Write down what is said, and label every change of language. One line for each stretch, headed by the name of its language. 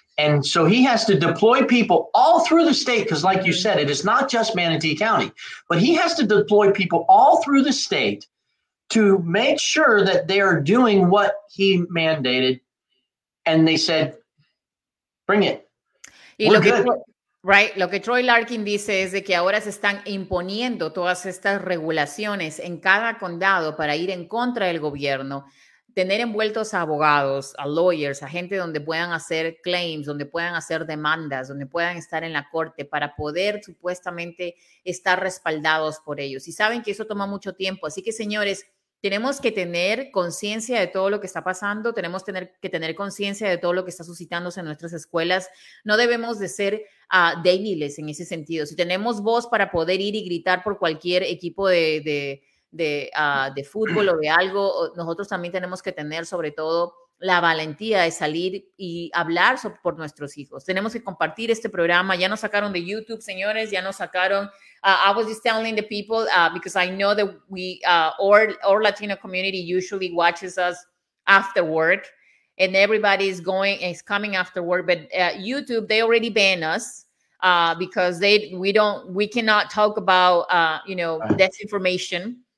English: And so he has to deploy people all through the state, because like you said, it is not just Manatee County, but he has to deploy people all through the state to make sure that they are doing what he mandated. And they said, bring it.
Spanish: Lo que Troy Larkin dice es de que ahora se están imponiendo todas estas regulaciones en cada condado para ir en contra del gobierno, tener envueltos a abogados, a lawyers, a gente donde puedan hacer claims, donde puedan hacer demandas, donde puedan estar en la corte para poder supuestamente estar respaldados por ellos. Y saben que eso toma mucho tiempo. Así que, señores, tenemos que tener conciencia de todo lo que está pasando. Tenemos que tener conciencia de todo lo que está suscitándose en nuestras escuelas. No debemos de ser débiles en ese sentido. Si tenemos voz para poder ir y gritar por cualquier equipo de fútbol o de algo, nosotros también tenemos que tener sobre todo la valentía de salir y hablar por nuestros hijos. Tenemos que compartir este programa. Ya nos sacaron de YouTube, señores, ya nos sacaron.
English: I was just telling the people, because I know that we, our Latino community usually watches us after work, and everybody is coming after work, but YouTube, they already banned us. Because we cannot talk about, disinformation.